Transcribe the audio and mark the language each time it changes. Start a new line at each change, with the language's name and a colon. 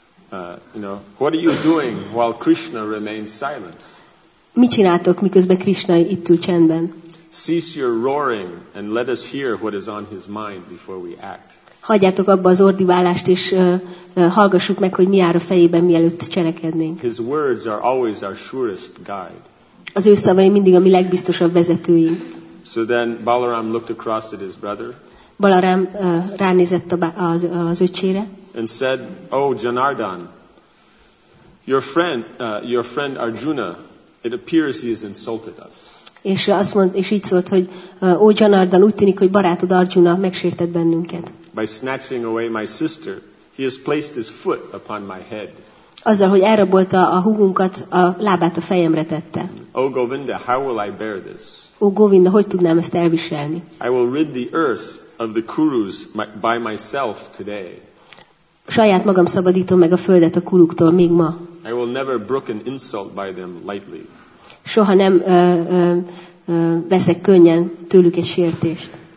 English: You know, what are you doing while Krishna remains silent?
Hungarian: Mit csináltok, miközben Krishna itt ül csendben?
English: Cease your roaring and let us hear what is on his mind before we act.
Hungarian: Hagyjátok abba az ordiválást és hallgassuk meg, hogy mi jár a fejében, mielőtt cselekednénk.
English: His words are always our surest guide.
Hungarian: Az ő szavai mindig a mi legbiztosabb vezetőink.
English: So then Balaram looked across at his brother.
Hungarian: Balaram ránézett az öcsére.
English: And said, "Oh, Janardan, your friend Arjuna, it appears he has insulted us."
Hungarian: És azt mond, és így szólt, hogy ó, Janardan, úgy tűnik, hogy barátod Arjuna megsértett bennünket.
English: By snatching away my sister, he has placed his foot upon my head.
Hungarian: Azzal, hogy elrabolta a húgunkat, a lábát a fejemre tette.
English: O Govinda, how will I bear this?
Hungarian: O Govinda, hogy tudnám ezt elviselni?
English: I will rid the earth of the Kurus by myself today.
Hungarian: Saját magam szabadítom meg a földet a kuruktól még ma.
English: I will never brook an insult by them lightly.
Hungarian: Soha nem veszek könnyen tőlük egy sértést.